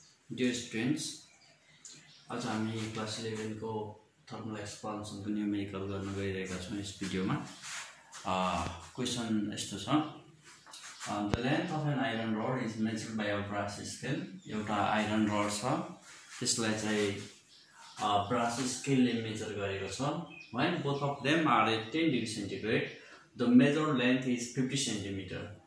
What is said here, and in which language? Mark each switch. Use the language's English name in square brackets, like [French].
[English] Dear students, [Nepali] आज हामी class 11 को thermal expansion को numerical गर्न गइरहेका छौं यस भिडियोमा. Question यस्तो छ. [English] The length of an iron rod is measured by a brass scale. [Nepali] एउटा iron rod छ. त्यसलाई चाहिँ brass scale ले मेजर गरेको छ. [English] When both of them are 10 degree centigrade, the measured length is 50 centimeter.